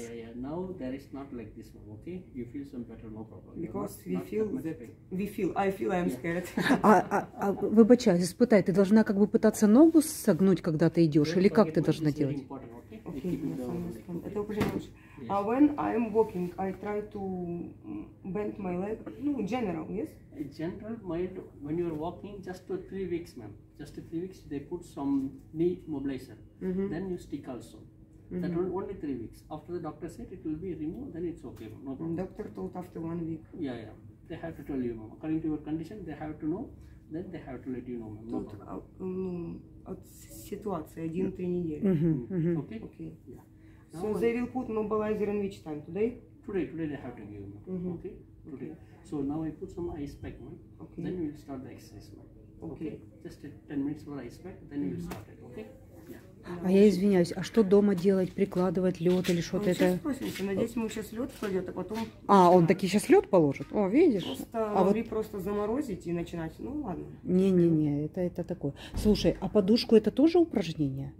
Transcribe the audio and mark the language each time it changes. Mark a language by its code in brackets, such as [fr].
[en] Yeah, yeah, now there is not like this one, okay? You feel some better, no problem. Because not, we not feel that, we feel, I feel I'm scared. [ru] Выбачай, испытай, ты должна как бы пытаться ногу согнуть, когда ты идешь, или как ты должна делать? Это упражнение лучше. А [en] when I'm walking, I try to bend my leg, no, general, yes? General, when you're walking, just for 3 weeks, ma'am. Just 3 weeks, they put some knee mobilizer. Mm-hmm. Then you stick also. Mm-hmm. That only 3 weeks. After the doctor said it will be removed, then it's okay, no problem. Doctor told after 1 week. Yeah, yeah. They have to tell you, ma'am. According to your condition, they have to know. Then they have to let you know, ma'am. No [ru] тут, от ситуации 1-3 недели. [en] Okay? Okay. Yeah. Now so they will put mobilizer in which time? Today? Today they have to give you, ma'am. Mm-hmm. Okay? Today. Okay. So now I put some ice pack, ma'am. Okay. Then we'll start the exercise, ma'am. Okay. Just 10 minutes for ice pack, then we'll start it, okay? [ru] А я извиняюсь, а что дома делать? Прикладывать лед или что-то он это? Сейчас спросимся. Надеюсь, ему сейчас лед пойдет, а потом... А, он таки сейчас лед положит? О, видишь? Просто, а вот... просто заморозить и начинать. Ну, ладно. Не-не-не, это такое. Слушай, а подушку это тоже упражнение?